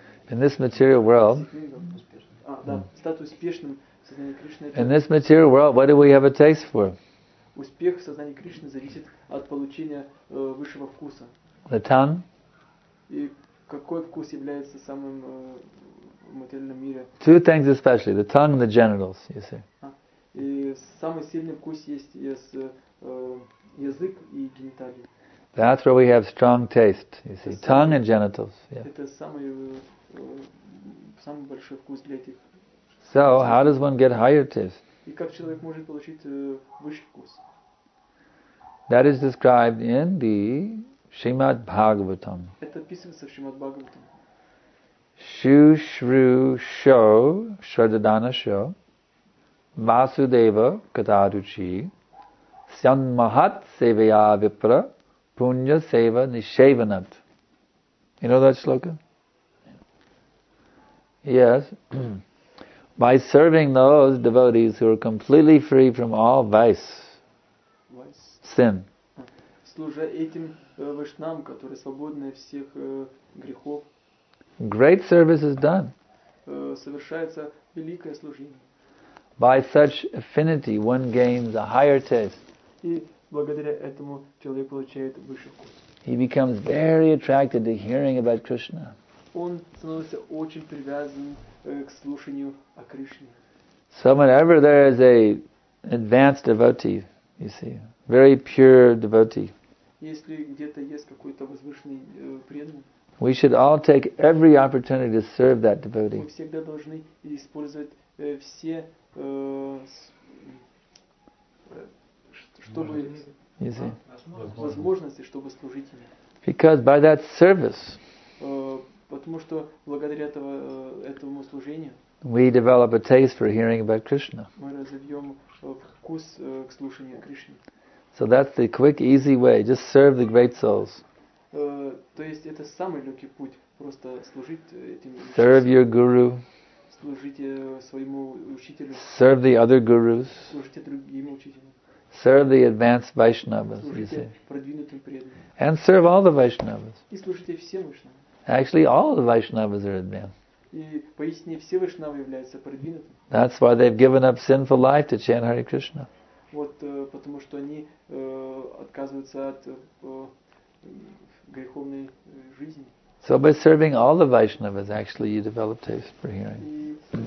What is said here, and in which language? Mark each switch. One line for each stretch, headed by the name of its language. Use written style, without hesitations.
English: In this material world, in this material world, what do we have a taste for?
Russian: Успех в сознании Кришны зависит от получения высшего вкуса.
English: The tongue.
Russian: И какой вкус является самым в материальном мире?
English: Two things especially: the tongue and the genitals. You see.
Russian: И самый сильный вкус есть из язык и гениталии.
English: That's where we have strong taste. You see, tongue and genitals. Yeah.
Russian: Это самый самый большой вкус для этих.
English: So, how does one get higher taste?
Russian: И как человек может получить высший вкус?
English: That is described in the Shrimad Bhagavatam.
Russian: Это описывается в Shrimad Bhagavatam.
Sanskrit: Shushru sho, Shraddhana sho, Vasudeva kataruchi, Syanmahat sevaya vipra, Punya seva nishevanat.
English: You know that shloka? Yes. By serving those devotees who are completely free from all vice, sin.
Russian: Служа этим вайшнавам, которые свободны от всех грехов.
English: Great service is done.
Russian: Совершается великое служение.
English: By such affinity, one gains a higher taste.
Russian: И благодаря этому человек получает высший вкус.
English: He becomes very attracted to hearing about Krishna.
Russian: Он становится очень привязан к слушанию о Кришне.
English: So whenever there is a advanced devotee, you see, very pure devotee.
Russian: Если где-то есть какой-то возвышенный преданный.
English: We should all take every opportunity to serve that devotee.
Russian: Мы всегда должны использовать все, чтобы возможности, чтобы служить ему.
English: Because by that service.
Russian: Потому что благодаря этому служению
English: we develop a taste for hearing about Krishna.
Russian: Мы развиваем вкус к слушанию Кришны.
English: So that's the quick, easy way. Just serve the great souls.
Russian: То есть это самый легкий путь. Просто служить этим.
English: Serve your guru.
Russian: Служите своему учителю.
English: Serve the other gurus.
Russian: Служите другим учителям.
English: Serve the advanced Vaishnavas, you see.
Russian: Продвинутым преданным.
English: And serve all the Vaishnavas.
Russian: И служите всем Вайшнавам.
English: Actually, all the Vaishnavas are advanced. That's why they've given up sinful life to chant Hare Krishna.
Russian: Вот потому что они отказываются от греховной жизни.
English: So by serving all the Vaishnavas, actually, you develop taste for hearing.